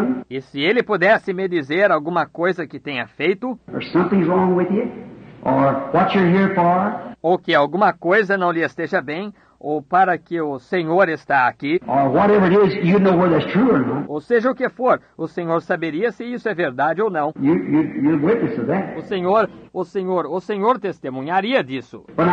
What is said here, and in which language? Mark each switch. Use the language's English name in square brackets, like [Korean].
[Portuguese] E se ele pudesse me dizer alguma coisa que tenha feito, [English] or something's wrong with you, or what you're here for, [Portuguese] ou que alguma coisa não lhe esteja bem, ou para que o Senhor está aqui, [English] or whatever it is, you'd know whether it's true or not. [Portuguese] Ou seja o que for, o Senhor saberia se isso é verdade ou não. [English] You're a witness of that. [Portuguese] O Senhor testemunharia disso.